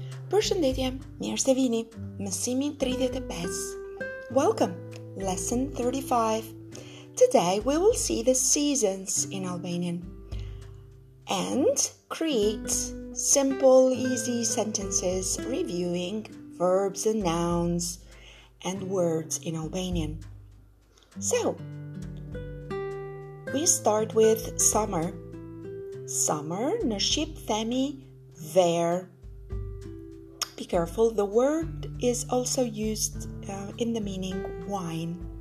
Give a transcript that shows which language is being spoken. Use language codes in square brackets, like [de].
[sq] Përshëndetje, mirë se vini, mësimi 35. [en] Welcome, lesson 35. Today we will see the seasons in Albanian and create simple, easy sentences reviewing verbs and nouns and words in Albanian. So, we start with summer. [sq] Summer, në shqip themi verë. [en] Be careful, the word is also used in the meaning wine.